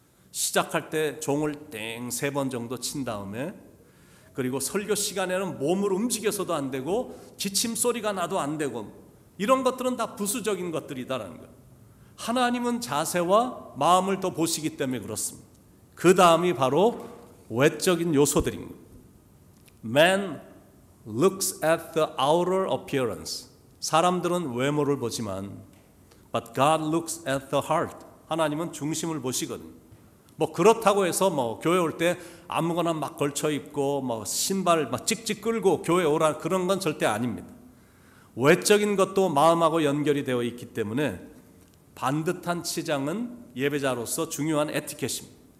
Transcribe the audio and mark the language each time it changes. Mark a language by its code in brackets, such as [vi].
[ko] 시작할 때 종을 땡 세 번 정도 친 다음에 그리고 설교 시간에는 몸을 움직여서도 안 되고 지침 소리가 나도 안 되고 이런 것들은 다 부수적인 것들이다라는 것. 하나님은 자세와 마음을 더 보시기 때문에 그렇습니다. 그 다음이 바로 외적인 요소들입니다. [en] Man looks at the outer appearance. [ko] 사람들은 외모를 보지만 [en] But God looks at the heart. [ko] 하나님은 중심을 보시거든요. 뭐 그렇다고 해서 뭐 교회 올 때 아무거나 막 걸쳐 입고 뭐 신발 막 찍찍 끌고 교회 오라 그런 건 절대 아닙니다. 외적인 것도 마음하고 연결이 되어 있기 때문에 반듯한 치장은 예배자로서 중요한 에티켓입니다.